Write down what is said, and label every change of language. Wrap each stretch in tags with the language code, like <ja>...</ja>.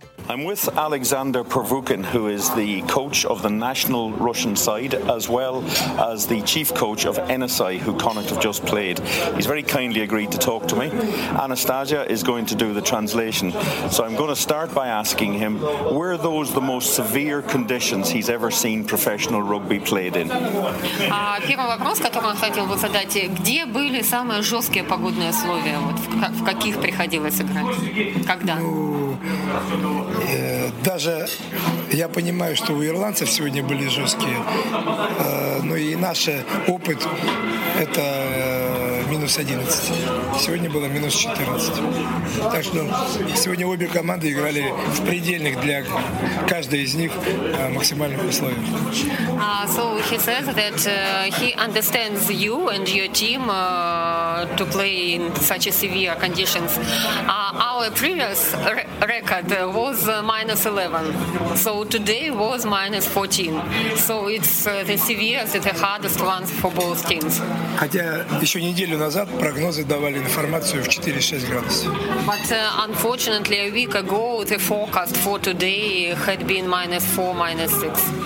<en>I'm with Alexander Pervukin, who is the coach of the national Russian side, as well as the chief coach of NSI, who Connacht have just played. He's very kindly agreed to talk to me. Anastasia is going to do the translation. So I'm going to start by asking him, were those the most severe conditions he's ever seen professional rugby played in?</en> <ru>Первый вопрос, который он хотел бы задать, где были самые жесткие погодные условия? Вот в каких приходилось играть? Когда? Даже я понимаю, что у ирландцев сегодня были жесткие, но и наш опыт – это минус 11. Сегодня было минус 14. Так что сегодня обе команды играли в предельных для каждой из них максимальных условиях.</ru> <en>So he says that he understands you and your team to play in such a severe conditions. Our previous record was minus 11. So today was minus 14. So it's the severest, the hardest ones for both teams.</en> <ru>Хотя еще неделю назад прогнозы давали информацию в 4-6 градусов.</ru> <en>But unfortunately, a week ago, the forecast for today had been minus 4, minus 6.</en>